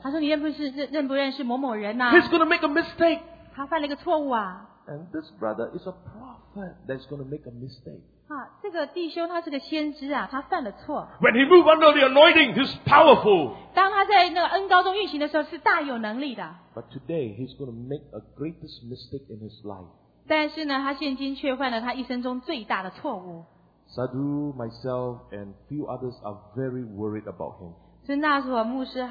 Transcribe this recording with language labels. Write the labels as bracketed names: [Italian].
[Chinese] 他说你认不认识某某人呐？ [English] He's going to make a mistake. [Chinese] 他犯了一个错误啊。 [English] And this brother is a prophet that's going to make a mistake. [Chinese] 这个弟兄他是个先知啊，他犯了错。 [English] When he moved under the anointing, he's powerful. [Chinese] 当他在那个恩膏中运行的时候，是大有能力的。 [English] But today he's going to make a greatest mistake in his life. [Chinese] 但是呢，他现今却犯了他一生中最大的错误。 [English] Sadhu, myself, and few others are very worried about him.